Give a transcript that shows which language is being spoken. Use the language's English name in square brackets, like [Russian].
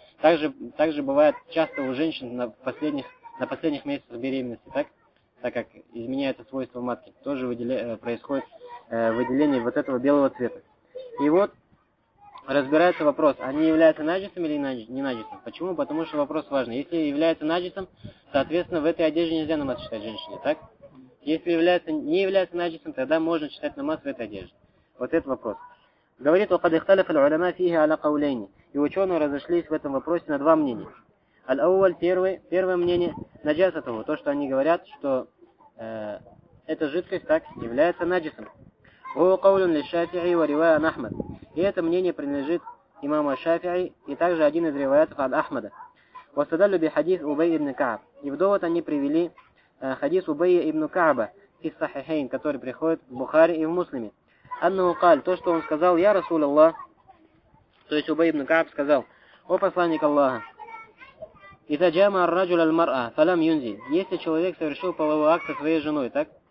[Russian] Также бывает часто у женщин на последних месяцах беременности, так как изменяется свойство матки, тоже происходит выделение вот этого белого цвета. И вот разбирается вопрос, они являются наджисом или не наджисом. Почему? Потому что вопрос важный. Если являются наджисом, соответственно, в этой одежде нельзя намаз считать женщине, так? Если не является наджисом, тогда можно читать намаз в этой одежде. Вот этот вопрос. Говорит, [Arabic] وَقَدْ اِخْتَلَفَ الْعُلَمَا فِيهِ عَلَى قَوْلَيْنِ. [Russian] И ученые разошлись в этом вопросе на два мнения. Аль-Ауваль, первое мнение, наджасатуху, то, что они говорят, что эта жидкость так является наджисом. [Arabic] هو قول للشافعي ورواية عن أحمد. [Russian] И это мнение принадлежит имаму Шафии и также один из риваятов от Ахмада. [Arabic] واستدلوا بحديث أبي بن كعب. [Russian] И в довод они привели хадис Убайя ибн Кааба из Сахихейн, который приходит в Бухари и в Муслиме. [Arabic] Аннаху каль, [Russian] то, что он сказал, [Arabic] я Расул Аллах, [Russian] то есть Убайя ибн Кааб сказал, о посланник Аллаха, [Arabic] иза джама ар-раджуль аль-мар'а, фалам юнзиль, [Russian] если человек совершил половой акт со своей женой, так?